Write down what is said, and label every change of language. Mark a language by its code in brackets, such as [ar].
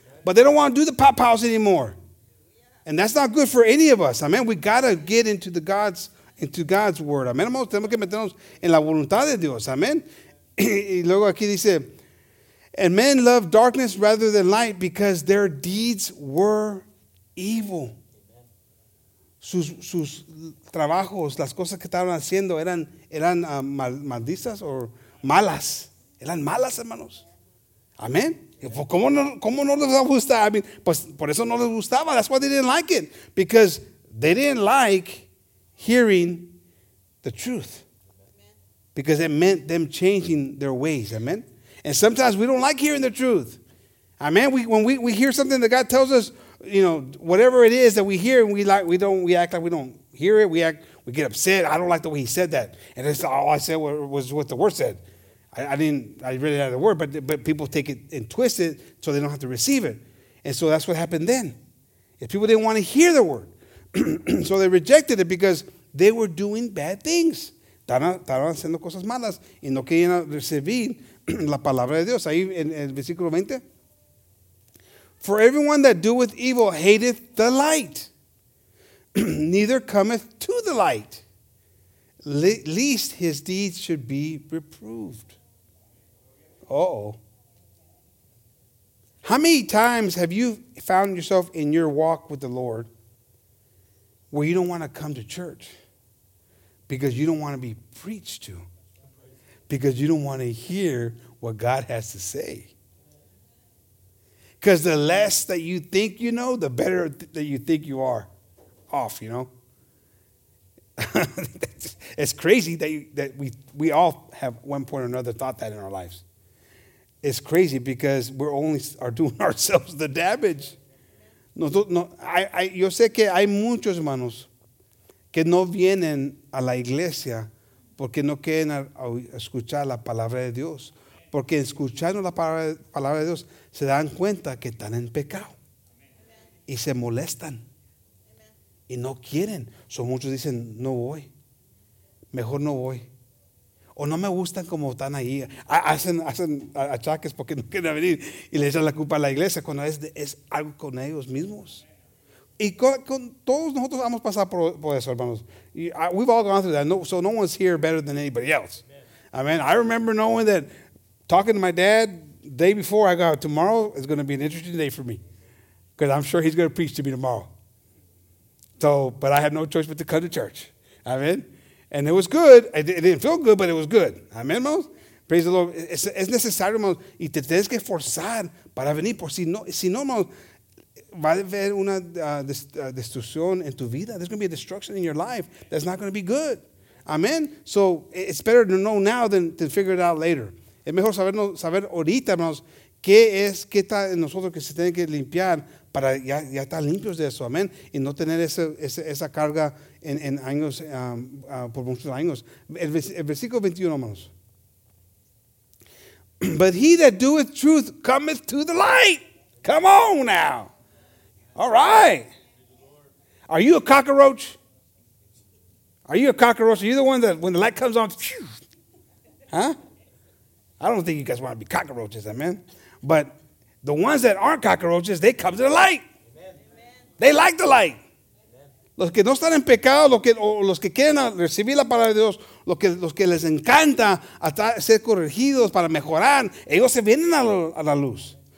[en] But they don't want to do the pow-pows anymore. And that's not good for any of us. Amen. We got to get into God's word. Amen. [es] Tenemos que meternos en la voluntad de Dios. [en] Amen. [es] Y luego aquí dice, [en] and men love darkness rather than light because their deeds were evil. [es] Sus trabajos, las cosas que estaban haciendo eran malas, hermanos. Amén. ¿Cómo no les gustaba? I mean, pues por eso no les gustaba. [en] That's why they didn't like it. Because they didn't like hearing the truth. Because it meant them changing their ways. Amen. And sometimes we don't like hearing the truth. Amen. When we hear something that God tells us, you know, whatever it is that we hear, and we act like we don't hear it. We get upset. I don't like the way he said that. And it's all I said was what the word said. I really didn't have the word, but people take it and twist it so they don't have to receive it. And so that's what happened then. If people didn't want to hear the word, so they rejected it because they were doing bad things. [es] Estaban haciendo cosas malas y no querían recibir la palabra de Dios. Ahí en el versículo 20. [en] For everyone that doeth evil hateth the light, neither cometh to the light, lest his deeds should be reproved. Uh-oh. How many times have you found yourself in your walk with the Lord where you don't want to come to church because you don't want to be preached to, because you don't want to hear what God has to say? Because the less that you think you know, the better that you think you are off, you know? It's crazy that we all have one point or another thought that in our lives. It's crazy because we're only are doing ourselves the damage. [es] Yo sé que hay muchos hermanos que no vienen a la iglesia porque no quieren escuchar la palabra de Dios. Porque escuchando la palabra de Dios se dan cuenta que están en pecado. Amen. Y se molestan. Amen. Y no quieren. So muchos dicen, no voy. Mejor no voy. O no me gustan como están ahí. Hacen achaques porque no quieren venir. Y le echan la culpa a la iglesia cuando es algo con ellos mismos. Y con todos nosotros vamos a pasar por eso, hermanos. [en] We've all gone through that. No, so no one's here better than anybody else. Amen. I remember knowing that talking to my dad the day before, I go, tomorrow is going to be an interesting day for me. Because I'm sure he's going to preach to me tomorrow. So, but I had no choice but to come to church. Amen. And it was good. It didn't feel good, but it was good. [es] Amen, hermanos. [en] Praise the Lord. [es] Es necesario, hermanos. Y te tienes que forzar para venir. Por si no, hermanos, va a haber una destrucción en tu vida. [en] There's going to be a destruction in your life. That's not going to be good. Amen. So it's better to know now than to figure it out later. [es] Es mejor saber ahorita, hermanos, qué es, qué está en nosotros que se tiene que limpiar para ya estar limpios de eso. Amen. Y no tener esa carga en años, por muchos años. El versículo 21, hermanos. [en] But he that doeth truth cometh to the light. Come on now. All right. Are you a cockroach? Are you a cockroach? Are you the one that when the light comes on, phew, huh? I don't think you guys want to be cockroaches, amen? But the ones that aren't cockroaches, they come to the light. Amen. They like the light. [es] Los que no están en pecado, los que quieren recibir la palabra de Dios, los que les encanta ser corregidos para mejorar, ellos se vienen a la luz.